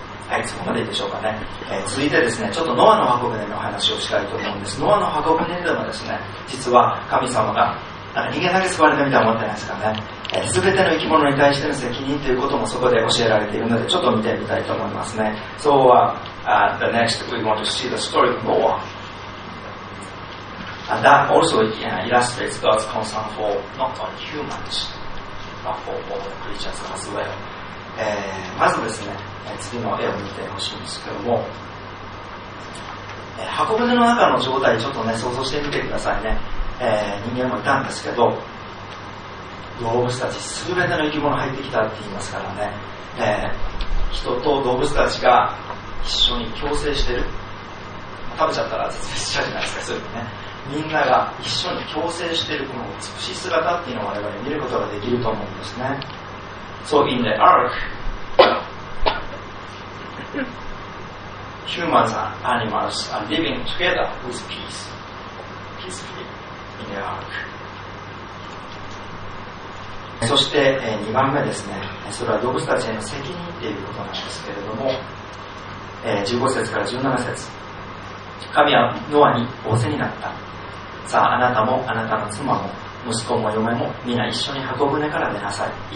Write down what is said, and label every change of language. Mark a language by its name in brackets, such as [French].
[Japanese] はい、そこまででしょうかね。続いてですね、ちょっとノアの箱舟の話をしたいと思うんです。ノアの箱舟でもですね、実は神様が人間だけ救われたみたいに思ってないですかね。全ての生き物に対しての責任ということもそこで教えられているので、ちょっと見てみたいと思いますね。 [English] So, the next we want to see the story of Noah. And that also illustrates God's concern for not only humans, but for all the creatures as well. [Japanese] まずですね、次の絵を見てほしいんですけども、箱舟の中の状態ちょっとね想像してみてくださいね。人間もいたんですけど、動物たち全ての生き物入ってきたって言いますからね、人と動物たちが一緒に共生してる、食べちゃったら絶滅しちゃうじゃないですか。そういうのね、みんなが一緒に共生してるこの美しい姿っていうのを我々見ることができると思うんですね。 [English] So in the ark, humans and animals are living together with peace, peacefully in the ark. [Japanese] そして2番目ですね、それは動物たちへの責任ということなんですけれども、15節から17節、神はノアに仰せになった。さああなたもあなたの妻も息子も嫁も皆一緒に箱舟から出なさい。